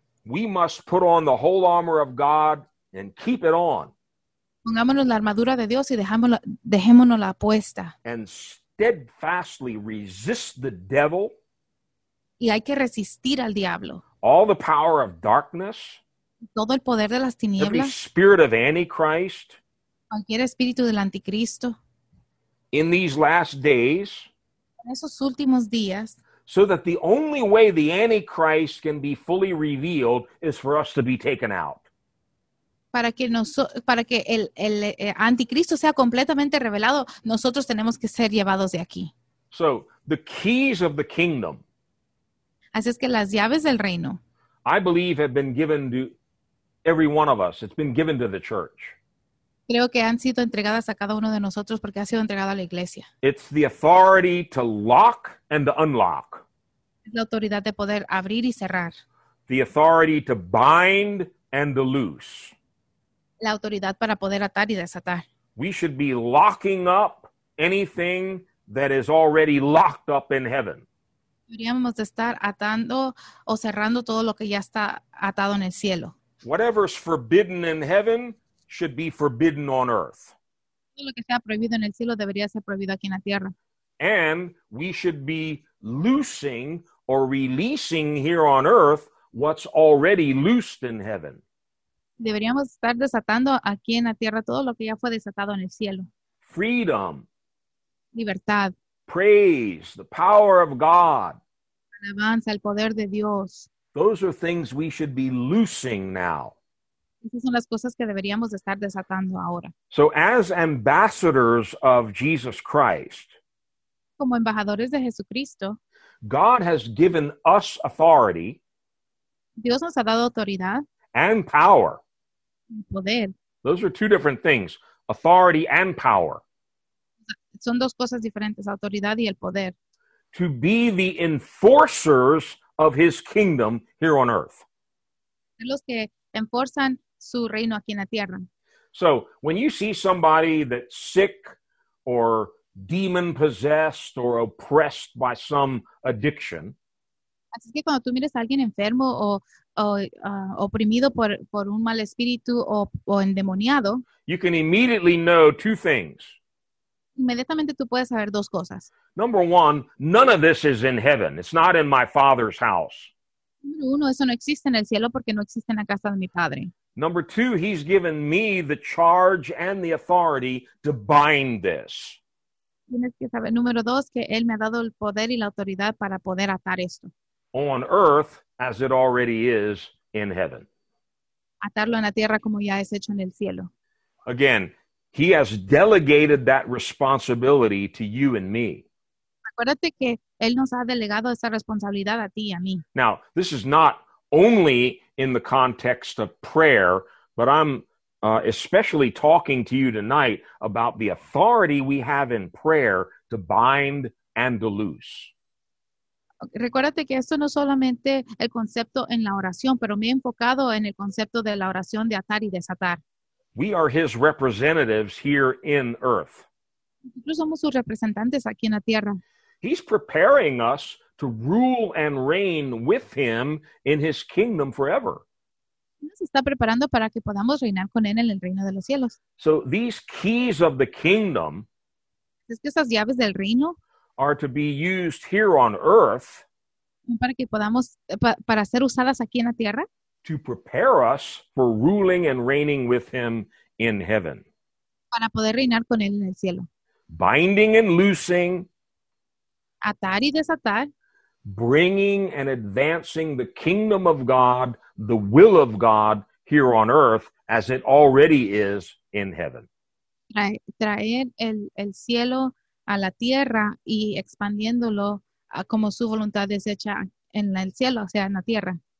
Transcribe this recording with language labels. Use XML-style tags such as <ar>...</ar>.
<en>We must put on the whole armor of God and keep it on.</en> <es>Pongámonos la armadura de Dios y dejémonos la puesta.</es> <en>And steadfastly resist the devil.</en> <es>Y hay que resistir al diablo.</es> <en>All the power of darkness.</en> <es>Todo el poder de las tinieblas.</es> <en>Every spirit of Antichrist.</en> <es>Cualquier espíritu del anticristo.</es> <en>In these last days.</en> <es>En esos últimos días.</es> <en>So that the only way the Antichrist can be fully revealed is for us to be taken out.</en> <es>Para que el anticristo sea completamente revelado, nosotros tenemos que ser llevados de aquí.</es> <en>So, the keys of the kingdom.</en> <es>Así es que las llaves del reino.</es> <en>I believe have been given to every one of us. It's been given to the church.</en> <es>Creo que han sido entregadas a cada uno de nosotros porque ha sido entregado a la iglesia.</es> <en>It's the authority to lock and to unlock.</en> <es>La autoridad de poder abrir y cerrar.</es> <en>The authority to bind and to loose.</en> <es>La autoridad para poder atar y desatar.</es> <en>We should be locking up anything that is already locked up in heaven.</en> <es>Deberíamos de estar atando o cerrando todo lo que ya está atado en el cielo.</es> <en>Whatever's forbidden in heaven should be forbidden on earth.</en> <es>Todo lo que sea prohibido en el cielo debería ser prohibido aquí en la tierra.</es> <en>And we should be loosing or releasing here on earth what's already loosed in heaven.</en> <es>Deberíamos estar desatando aquí en la tierra todo lo que ya fue desatado en el cielo.</es> <en>Freedom.</en> <es>Libertad.</es> <en>Praise, the power of God.</en> <es>Alabanza, el poder de Dios.</es> <en>Those are things we should be loosing now.</en> <es>Esas son las cosas que deberíamos estar desatando ahora.</es> <en>So as ambassadors of Jesus Christ,</en> <es>como embajadores de Jesucristo,</es> <en>God has given us authority,</en> <es>Dios nos ha dado autoridad,</es> <en>and power.</en> <es>Poder.</es> <en>Those are two different things, authority and power.</en> <es>Son dos cosas diferentes, autoridad y el poder.</es> <en>To be the enforcers of his kingdom here on earth.</en> <es>Los que enforzan su reino aquí en la tierra.</es> <en>So, when you see somebody that's sick or demon-possessed or oppressed by some addiction,</en> <es>así que cuando tú mires a alguien enfermo o oprimido por un mal espíritu o endemoniado,</es> <en>you can immediately know two things.</en> <es>Inmediatamente tú puedes saber dos cosas.</es> <en>Number one, none of this is in heaven. It's not in my father's house.</en> <es>Número uno, eso no existe en el cielo porque no existe en la casa de mi padre.</es> <en>Number two, he's given me the charge and the authority to bind this.</en> <es>Tienes que saber, número dos, que él me ha dado el poder y la autoridad para poder atar esto.</es> <en>On earth, as it already is in heaven.</en> <es>Atarlo en la tierra como ya es hecho en el cielo.</es> <en>Again, he has delegated that responsibility to you and me.</en> <es>Acuérdate que él nos ha delegado esa responsabilidad a ti y a mí.</es> <en>Now, this is not only in the context of prayer, but I'm especially talking to you tonight about the authority we have in prayer to bind and to loose.</en> <es>Recuérdate que esto no es solamente el concepto en la oración, pero me he enfocado en el concepto de la oración de atar y desatar.</es> <en>We are his representatives here in earth.</en> <es>Nosotros somos sus representantes aquí en la tierra.</es> <en>He's preparing us to rule and reign with him in his kingdom forever.</en> <es>Nos está preparando para que podamos reinar con él en el reino de los cielos.</es> <en>So these keys of the kingdom,</en> <es>es que esas llaves del reino,</es> <en>are to be used here on earth</en> <es>para que podamos, para ser usadas aquí en la tierra.</es> <en>To prepare us for ruling and reigning with him in heaven.</en> <es>Para poder reinar con él en el cielo.</es> <en>Binding and loosing.</en> <es>Atar y desatar.</es> <en>Bringing and advancing the kingdom of God, the will of God, here on earth as it already is in heaven.</en> <es>Traer el cielo a la tierra y expandiéndolo como su voluntad es hecha en el cielo, o sea, en la tierra.</es>